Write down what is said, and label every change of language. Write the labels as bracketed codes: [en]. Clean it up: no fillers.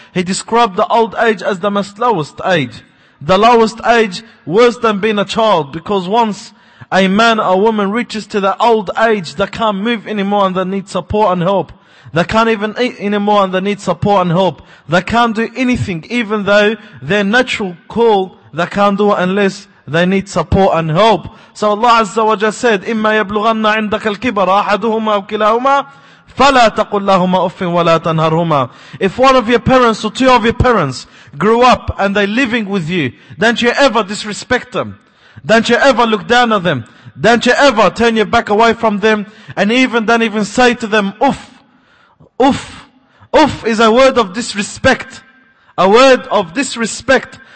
[en] He described the old age as the most lowest age. The lowest age, worse than being a child, because once a man or woman reaches to the old age, they can't move anymore and they need support and help. They can't even eat anymore and they need support and help. They can't do anything, even though their natural call, they can't do it unless they need support and help. So Allah Azza wa Jalla said, [ar] إِمَّا يَبْلُغَنَّ عِنْدَكَ الْكِبَرَ أَحَدُهُمَا وَكِلَاهُمَا فَلَا تَقُلْ لَهُمَا أُفٍّ وَلَا تَنْهَرْهُمَا. [en] If one of your parents or two of your parents grew up and they're living with you, don't you ever disrespect them. Don't you ever look down on them. Don't you ever turn your back away from them. And even don't even say to them, "Uff." Uff. Uff is a word of disrespect. A word of disrespect.